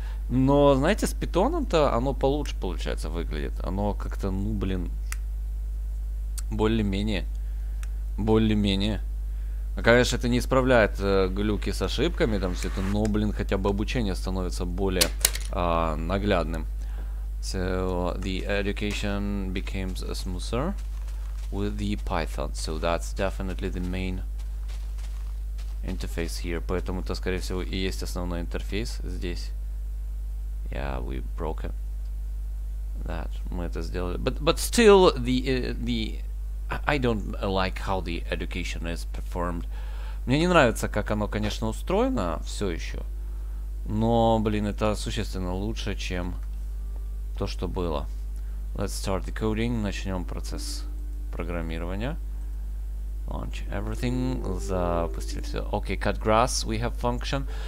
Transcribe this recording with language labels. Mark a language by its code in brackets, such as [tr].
[ru] Но, знаете, с питоном-то оно получше, получается, выглядит. Оно как-то, ну, блин, более-менее. Более-менее. А, конечно, это не исправляет глюки с ошибками, там все это, но, блин, хотя бы обучение становится более наглядным. [en] So, the education becomes smoother with the Python. So, that's definitely the main interface here. [ru] Поэтому это, скорее всего, и есть основной интерфейс здесь. [en] Yeah, we broke it. That [ru] мы это сделали. [en] But still the I don't like how the education is performed. [ru] Мне не нравится, как оно, конечно, устроено все еще. Но, блин, это существенно лучше, чем то, что было. [en] Let's start the coding. [ru] Начнем процесс программирования. [en] Launch everything. [ru] Запустили все. [en] Okay, cut grass. We have function.